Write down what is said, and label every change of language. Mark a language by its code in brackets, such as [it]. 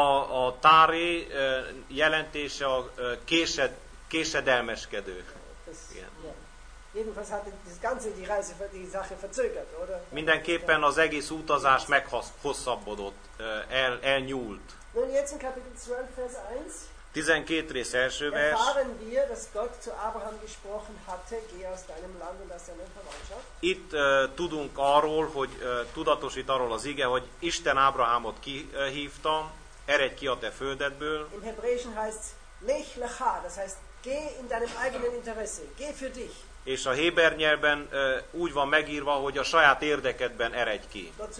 [hu] A Tári jelentése a késedelmeskedő. Igen. [de] Jedenfalls hat das ganze die Reise die Sache verzögert, oder? [hu] Mindenképpen az egész utazás meghosszabbodott, elnyúlt. [de] Nun jetzt in Kapitel 12 Vers 1. [hu] 12 rész első vers. [de] Erfahren wir, dass Gott zu Abraham gesprochen hatte, geh aus deinem Land und aus deiner Verwandtschaft. [hu] Itt tudunk arról, hogy tudatosít arról az ige, hogy Isten Ábrahámot kihívta, eredj ki a te földedből. [de] Im Hebräischen heißt Lech Lecha, das heißt geh in deinem eigenen Interesse, geh für dich. [hu] És a héber nyelven úgy van megírva, hogy a saját érdekedben eredj ki.